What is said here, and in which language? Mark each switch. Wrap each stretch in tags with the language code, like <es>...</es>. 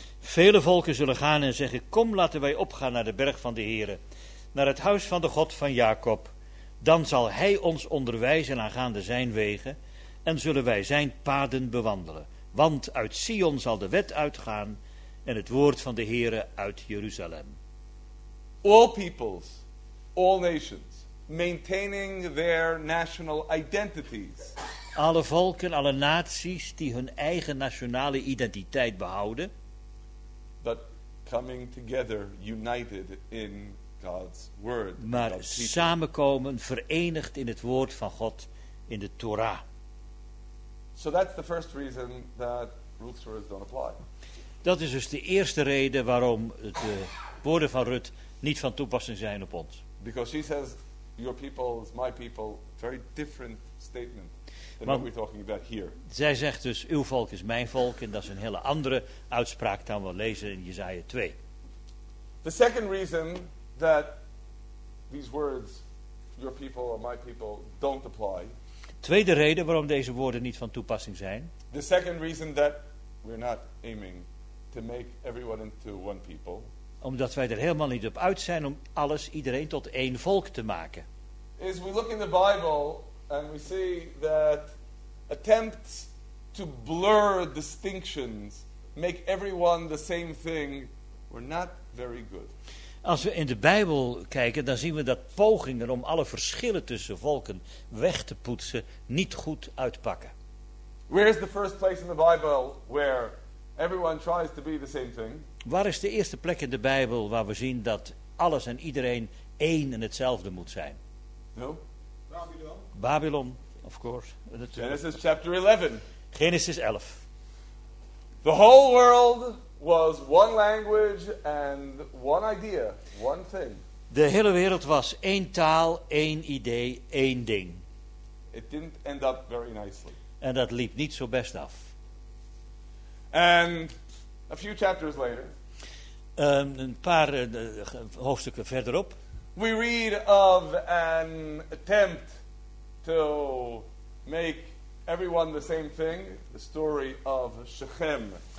<nl>Vele volken zullen gaan en zeggen, kom, laten wij opgaan naar de berg van de Heere, naar het huis van de God van Jacob. Dan zal hij ons onderwijzen aangaande zijn wegen en zullen wij zijn paden bewandelen. Want uit Sion zal de wet uitgaan en het woord van de Heere uit Jeruzalem.</nl> <en>All peoples, all nations, maintaining their national identities.</en> <nl>Alle volken, alle naties die hun eigen nationale identiteit behouden.</nl> <en>But coming together, united in God's word,</en> <nl>maar</nl> <en>God's</en> <nl>samenkomen, verenigd in het woord van God, in de Torah.</nl> <en>So that's the first reason that rules don't apply.</en> <nl>Dat is dus de eerste reden waarom de woorden van Rut niet van toepassing zijn op ons.</nl> <en>Because she says, your people is my people, very different statement than what we're talking about here.</en> <nl>Zij zegt dus, uw volk is mijn volk, en dat is een hele andere uitspraak dan we lezen in Jesaja 2.</nl> <en>The second reason that these words, your people or my people, don't apply.</en> <nl>Tweede reden waarom deze woorden niet van toepassing zijn.</nl> <en>The second reason that we're not aiming to make everyone into one people.</en> <nl>Omdat wij er helemaal niet op uit zijn om alles, iedereen tot één volk te maken.</nl> <en>Is we look in the Bible and we see that attempts to blur distinctions, make everyone the same thing, were not very good.</en> <nl>Als we in de Bijbel kijken, dan zien we dat pogingen om alle verschillen tussen volken weg te poetsen niet goed uitpakken.</nl> <en>Where is the first place in the Bible where everyone tries to be the same thing?</en> <nl>Waar is de eerste plek in de Bijbel waar we zien dat alles en iedereen één en hetzelfde moet zijn?</nl> <en>No. Babylon, of course. Genesis chapter 11.</en> <nl>Genesis 11.</nl> <en>The whole world was one language and one idea, one thing.</en> <nl>De hele wereld was één taal, één idee, één ding.</nl> <en>It didn't end up very nicely.</en> <nl>En dat liep niet zo best af.</nl> <en>And a few chapters later,</en> <nl>een paar hoofdstukken verderop,</nl> <en>we read of an attempt to make everyone the same thing, the story of Shechem.</en>